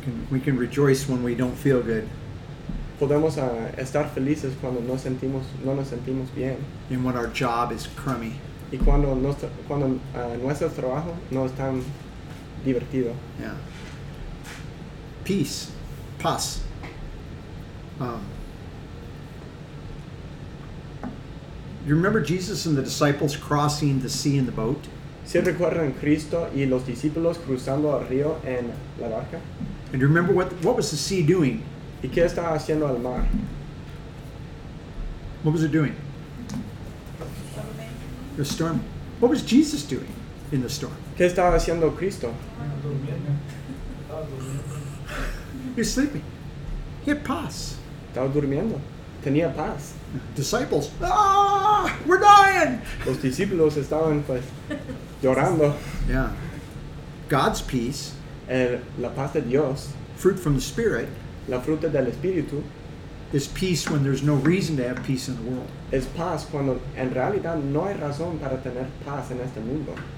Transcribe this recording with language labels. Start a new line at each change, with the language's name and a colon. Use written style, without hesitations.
English: We can rejoice when we don't feel good.
Spanish: Podemos estar felices cuando no nos sentimos bien.
English: And when our job is crummy.
Spanish: Y cuando nuestro trabajo no es tan divertido.
English: Yeah. Peace. Paz. You remember Jesus and the disciples crossing the sea in the boat?
Spanish: ¿Se recuerdan Cristo y los discípulos cruzando el río en la barca?
English: And remember what was the sea doing?
Spanish: ¿Y qué estaba haciendo el mar?
English: What was it doing? The storm. What was Jesus doing in the storm?
Spanish: ¿Qué estaba haciendo Cristo?
English: He was sleeping. He had paz.
Spanish: Estaba durmiendo. Tenía paz.
English: Disciples, we're dying.
Spanish: Los discípulos estaban pues llorando.
English: Yeah. God's peace.
Spanish: La paz de Dios.
English: Fruit from the Spirit.
Spanish: La fruta del Espíritu.
English: Is peace when there's no reason to have peace in the world.
Spanish: Es paz cuando en realidad no hay razón para tener paz en este mundo.